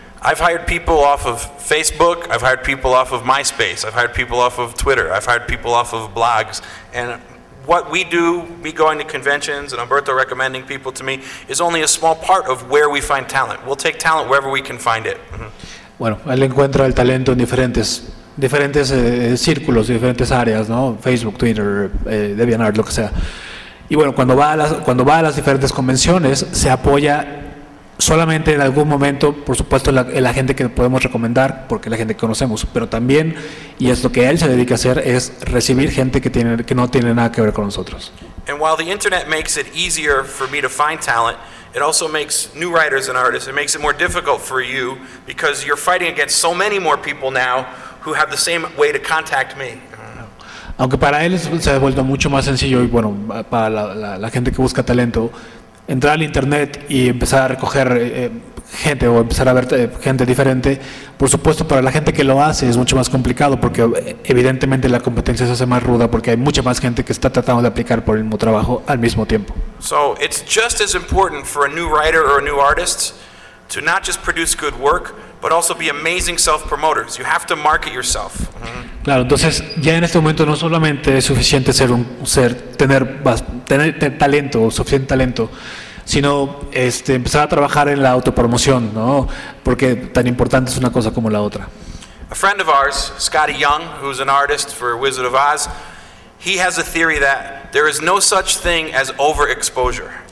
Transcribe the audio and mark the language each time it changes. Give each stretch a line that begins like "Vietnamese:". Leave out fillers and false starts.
English: I've hired people off of Facebook, I've hired people off of MySpace, I've hired people off of Twitter, I've hired people off of blogs, and what we do, me going to conventions and Umberto recommending people to me, is only a small part of where we find talent. We'll take talent wherever we can find it. Mm-hmm.
Spanish: Bueno, él encuentra el talento en diferentes círculos, diferentes áreas, ¿no? Facebook, Twitter, DeviantArt, lo que sea. Y bueno, cuando va a las diferentes convenciones, se apoya solamente en algún momento, por supuesto, la gente que podemos recomendar, porque es la gente que conocemos, pero también, y es lo que él se dedica a hacer, es recibir gente que tiene, que no tiene nada que ver con nosotros.
English: And while the internet makes it easier for me to find talent, it also makes new writers and artists, it makes it more difficult for you, because you're fighting against so many more people now who have the same way to contact me.
Spanish: Aunque para él se ha vuelto mucho más sencillo, y bueno, para la gente que busca talento, entrar al internet y empezar a recoger gente o empezar a ver gente diferente, por supuesto, para la gente que lo hace es mucho más complicado, porque evidentemente la competencia se hace más ruda, porque hay mucha más gente que está tratando de aplicar por el mismo trabajo al mismo tiempo.
English: So it's just as important for a new writer or a new artist to not just produce good work, but also be amazing self-promoters. You have to market yourself.
Spanish: Claro, entonces ya en este momento no solamente es suficiente tener talento, suficiente talento, sino empezar a trabajar en la autopromoción, ¿no? Porque tan importante es una cosa como la otra.
English: A friend of ours, Scotty Young, who's an artist for Wizard of Oz, he has a theory that there is no such thing as overexposure.